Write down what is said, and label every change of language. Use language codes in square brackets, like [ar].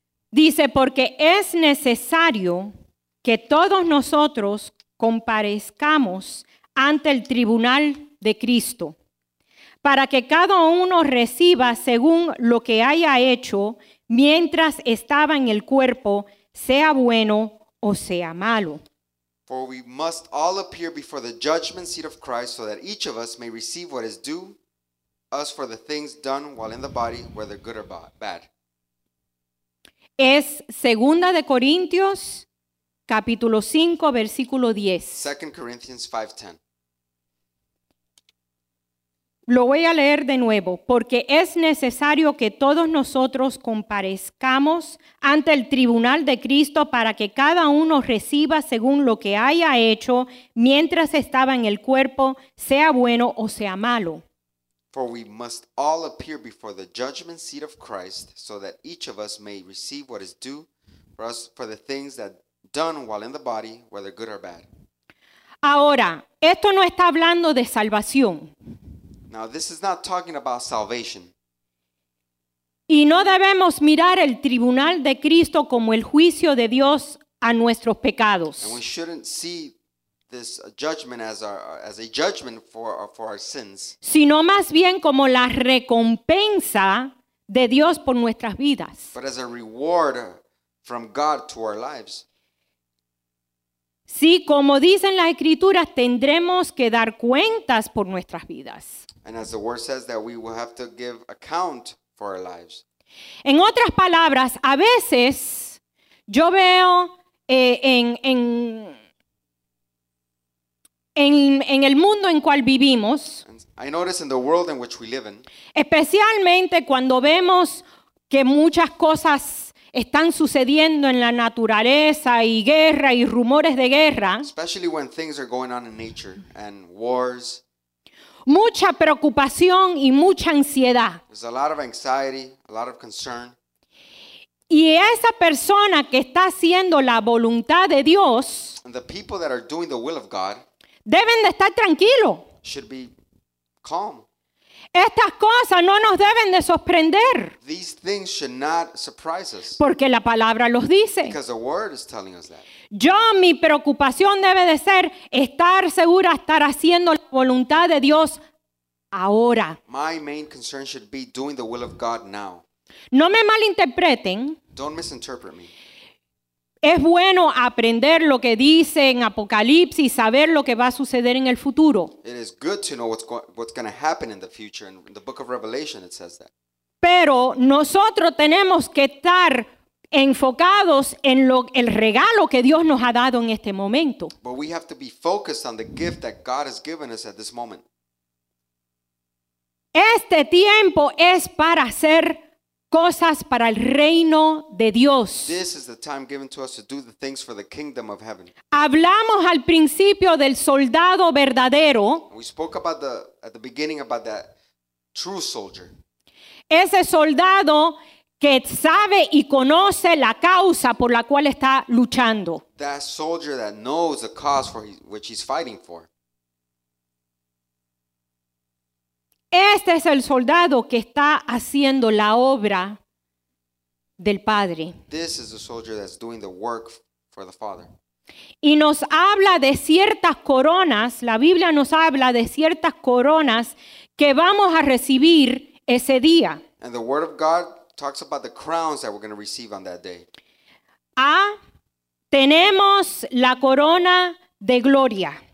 [es] Dice, porque es necesario que todos nosotros comparezcamos ante el tribunal de Cristo, para que cada uno reciba según lo que haya hecho mientras estaba en el cuerpo, sea bueno o sea malo. [en] For we must all appear before the judgment seat of Christ so that each of us may receive what is due us for the things done while in the body, whether good or bad. [es] Es 2 de Corintios, capítulo 5, versículo 10. [en] 2 Corinthians 5:10. [es] Lo voy a leer de nuevo, porque es necesario que todos nosotros comparezcamos ante el tribunal de Cristo para que cada uno reciba según lo que haya hecho mientras estaba en el cuerpo, sea bueno o sea malo. [en] For we must all appear before the judgment seat of Christ so that each of us may receive what is due for us for the things that done while in the body, whether good or bad. [es] Ahora, esto no está hablando de salvación. [en] Now, this is not talking about salvation. [es] Y no debemos mirar el tribunal de Cristo como el juicio de Dios a nuestros pecados. [en] And we shouldn't see this judgment as a judgment for our sins. [es] Sino más bien como la recompensa de Dios por nuestras vidas. [en] But as a reward from God to our lives. [es] Sí, como dicen las Escrituras, tendremos que dar cuentas por nuestras vidas. [en] And as the word says, that we will have to give account for our lives. [es] En otras palabras, a veces yo veo en el mundo en cual vivimos, [en] I notice in the world in which we live in, [es] especialmente cuando vemos que muchas cosas están sucediendo en la naturaleza y guerra y rumores de guerra. [en] Especially when things are going on in nature and wars. [es] Mucha preocupación y mucha ansiedad. [en] There's a lot of anxiety, a lot of concern. [es] Y esa persona que está haciendo la voluntad de Dios, [en] and the people that are doing the will of God, [es] deben de estar tranquilo. [en] Should be calm. [es] Estas cosas no nos deben de sorprender. [en] These things should not surprise us. [es] Porque la palabra los dice. [en] Because the word is telling us that. [es] Yo, mi preocupación debe de ser estar segura, estar haciendo la voluntad de Dios ahora. [en] My main concern should be doing the will of God now. [es] No me malinterpreten. [en] Don't misinterpret me. [es] Es bueno aprender lo que dice en Apocalipsis, saber lo que va a suceder en el futuro. [en] It is good to know what's going to happen in the future. In the book of Revelation it says that. [es] Pero nosotros tenemos que estar enfocados en lo, el regalo que Dios nos ha dado en este momento. [en] But we have to be focused on the gift that God has given us at this moment. [es] Este tiempo es para hacer cosas para el reino de Dios. [en] This is the time given to us to do the things for the kingdom of heaven. [es] Hablamos al principio del soldado verdadero. [en] We spoke about the at the beginning about that true soldier. [es] Ese soldado que sabe y conoce la causa por la cual está luchando. [en] That soldier that knows the cause for which he's fighting for. [es] Este es el soldado que está haciendo la obra del Padre. [en] This is the soldier that's doing the work for the Father. [es] Y nos habla de ciertas coronas, la Biblia nos habla de ciertas coronas que vamos a recibir ese día. [en] And the word of God talks about the crowns that we're going to receive on that day. [es] Ah, tenemos la corona de gloria.